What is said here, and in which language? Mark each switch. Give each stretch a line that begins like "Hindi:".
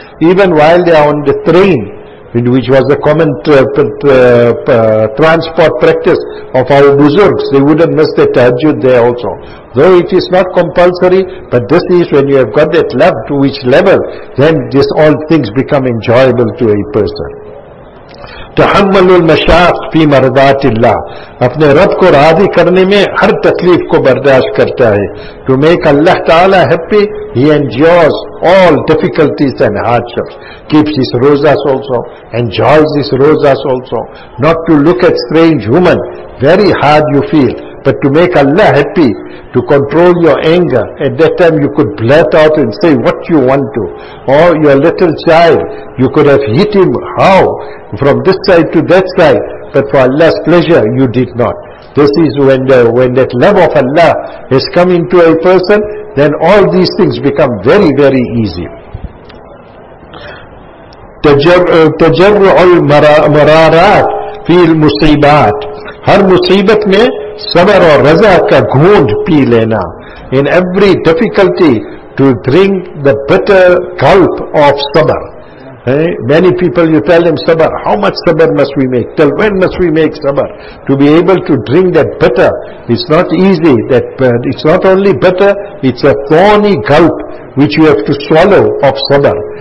English: Even while they are on the train, which was a common transport practice of our buzurgs, they wouldn't miss the tahajjud there also. Though it is not compulsory, but this is when you have got that love, to which level, then this all things become enjoyable to a person.
Arabic: تحمل المشاق في مرضات الله.
Urdu: اپنے رب کو راضی کرنے میں ہر تکلیف کو برداشت کرتا ہے.
English: To make Allah Ta'ala happy, he endures all difficulties and hardships. Keeps his rozas also, enjoys his rozas also. Not to look at strange woman, very hard you feel. But to make Allah happy, to control your anger, at that time you could blurt out and say what you want to. Or your little child, you could have hit him how? From this side to that side, but for Allah's pleasure you did not. This is when that love of Allah has come into a person, then all these things become very, very easy.
Arabic: تجرع المرارات في المصيبات.
Urdu: ہر مصیبت میں صبر اور رضا کا گھونٹ پی لینا.
English: In every difficulty to drink the bitter gulp of sabr. Hey, many people, you tell them sabr, how much sabr must we make? Till when must we make sabr? To be able to drink that bitter, it's not easy. That it's not only bitter, it's a thorny gulp which you have to swallow of sabr.